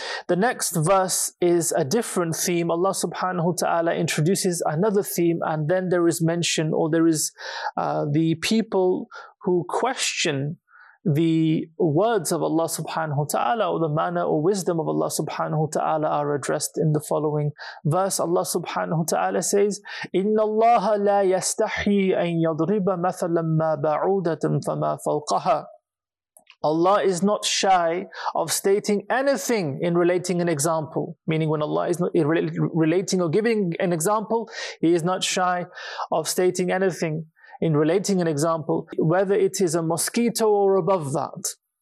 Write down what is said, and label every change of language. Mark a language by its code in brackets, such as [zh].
[en] The next verse is a different theme. Allah subhanahu wa ta'ala introduces another theme, and then there is mention, or there is the people who question the words of Allah subhanahu wa ta'ala, or the manner or wisdom of Allah subhanahu wa ta'ala are addressed in the following verse. Allah subhanahu wa ta'ala says, [ar] إِنَّ اللَّهَ لَا يَسْتَحْيِي أَن يَضْرِبَ مَثَلًا مَا بَعُودَةً فَمَا فَوْقَهَا. [en] Allah is not shy of stating anything in relating an example. Meaning when Allah is not relating or giving an example, He is not shy of stating anything in relating an example, whether it is a mosquito or above that.